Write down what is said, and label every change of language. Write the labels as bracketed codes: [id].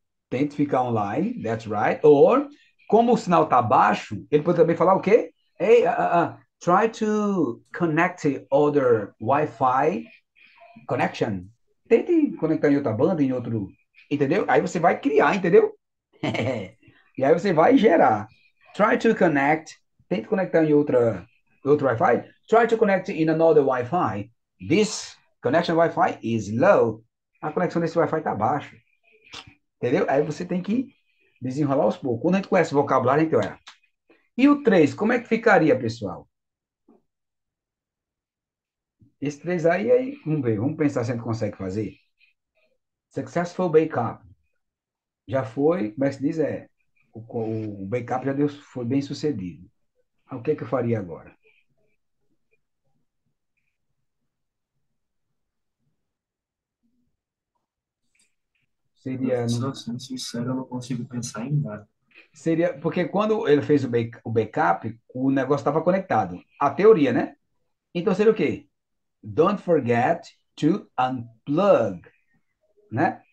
[pt] Tente ficar online, [en] that's right. [pt] Or, como o sinal está baixo, ele pode também falar o quê? [en] Hey, try to connect to other Wi-Fi connection. [pt] Tente conectar em outra banda, em outro. Entendeu? Aí você vai criar, entendeu? E aí você vai gerar. [en] Try to connect. [pt] Tente conectar em outro Wi-Fi. [en] Try to connect in another Wi-Fi. This connection Wi-Fi is low. [pt] A conexão desse Wi-Fi está baixa. Entendeu? Aí você tem que desenrolar aos poucos. Quando a gente conhece o vocabulário, então é. E o 3, como é que ficaria, pessoal? Esse 3 aí, vamos ver. Vamos pensar se a gente consegue fazer. [en] Successful backup. [pt] Já foi, como é que se diz? É, o backup já deu, foi bem sucedido. O que é que eu faria agora? Seria no. Sendo sincero, eu não consigo pensar em nada. Seria, porque quando ele fez o backup, o negócio estava conectado. A teoria, né? Então seria o quê? [en] Don't forget to unplug, né?